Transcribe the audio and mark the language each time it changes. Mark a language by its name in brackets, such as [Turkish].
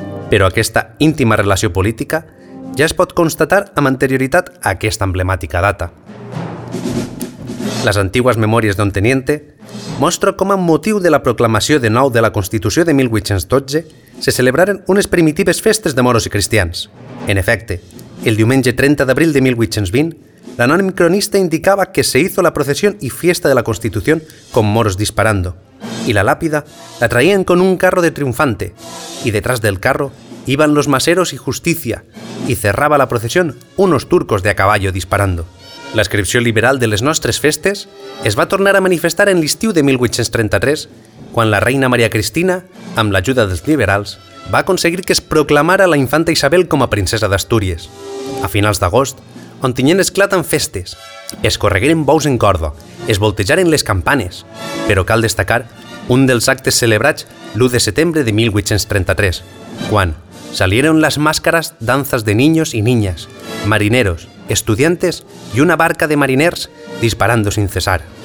[Catalan] Però aquesta íntima relació política ja es pot constatar amb anterioritat a aquesta emblemàtica data. Les antigues memòries d'un teniente mostra com amb motiu de la proclamació de nou de la Constitució de 1812 se celebraren unes primitives festes de moros i cristians. En efecte, el diumenge 30 d'abril de 1820, l'anònim cronista indicava que [Spanish] se hizo la procesión y fiesta de la Constitución con moros disparando, y la lápida la traían con un carro de triunfante, y detrás del carro iban los maseros y justicia, y cerraba la procesión unos turcos de a caballo disparando. [Catalan] La inscripción liberal de les nostres festes es va tornar a manifestar en l'estiu de 1833, quan la reina Maria Cristina, amb l'ajuda dels liberals, va aconseguir que es proclamara la infanta Isabel com a princesa d'Astúries. A finals d'agost, on tinguen esclat en festes, es corregueren bous en corda, es voltejaren les campanes, però cal destacar un dels actes celebrats l'1 de setembre de 1833, quan [Spanish] salieron las máscaras danzas de niños y niñas, marineros, estudiantes y una barca de mariners disparando sin cesar.